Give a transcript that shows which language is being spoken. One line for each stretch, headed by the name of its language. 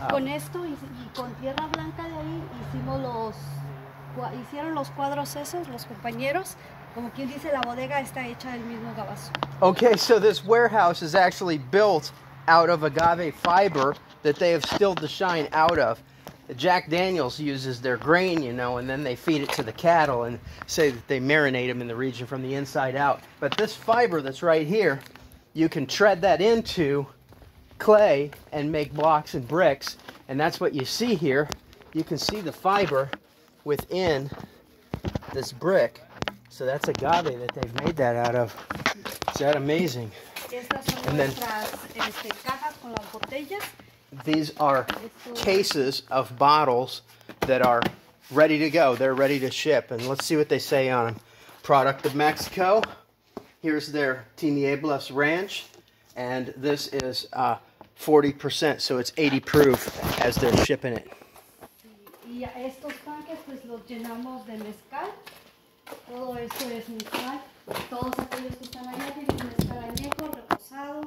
Spanish: Con esto y con tierra blanca de ahí hicimos los... Hicieron los cuadros esos, los compañeros. Como quien dice, la bodega está hecha del mismo gabazo.
English: Okay, so this warehouse is actually built out of agave fiber that they have stilled the shine out of. Jack Daniels uses their grain, you know, and then they feed it to the cattle and say that they marinate them in the region from the inside out. But this fiber that's right here, you can tread that into clay and make blocks and bricks. And that's what you see here. You can see the fiber within this brick. So that's agave that they've made that out of. Is that amazing? And then
Spanish: cajas con las botellas.
English: These are cases of bottles that are ready to go. They're ready to ship. And let's see what they say on them. Product of Mexico. Here's their Tinieblo Ranch. And this is 40%, so it's 80 proof as they're shipping it.
Spanish: Y a estos tanques pues los llenamos de mezcal. Todo esto es mezcal. Todos aquellos que están allá tienen mezcal añejo, reposado.